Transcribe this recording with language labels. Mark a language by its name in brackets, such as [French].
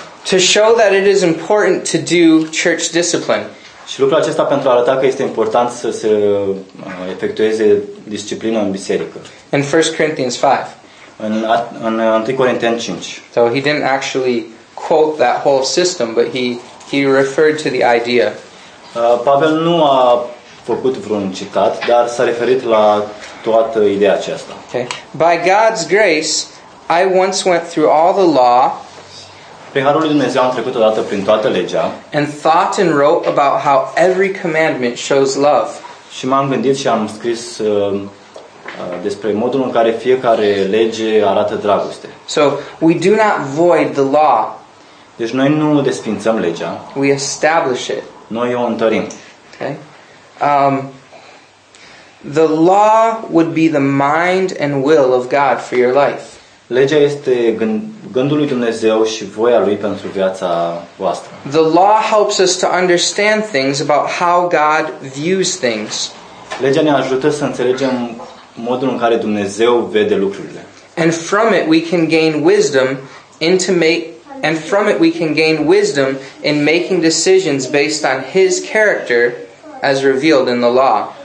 [English] To show that it is important to do church discipline. [Romanian] Și lucrul acesta pentru a arăta că este important să se efectueze disciplină în biserică. [English] In 1 Corinthians 5. [Romanian] În 1 Corinteni 5. [English] So he didn't actually quote that whole system, but he referred to the idea. [Romanian] Pavel nu a făcut vreun citat, dar s-a referit la toată ideea aceasta. [English] Okay. By God's grace, I once went through all the law. [Romanian] Prin harul lui Dumnezeu am trecut odată prin toată legea. [English] And thought and wrote about how every commandment shows love. [Romanian] Și m-am gândit și am scris despre modul în care fiecare lege arată dragoste. [English] So, we do not void the law. [Romanian] Deci noi nu desfințăm legea. [English] We establish it. [Romanian] Noi o întărim. [English] Okay? The law would be the mind and will of God for your life. [Romanian] Legea este gândul lui Dumnezeu și voia lui pentru viața voastră. [English] The law helps us to understand things about how God views things. [Romanian] Legea ne ajută să înțelegem modul în care Dumnezeu vede lucrurile. [English] And from it we can gain wisdom in making decisions based on his character as revealed in the law.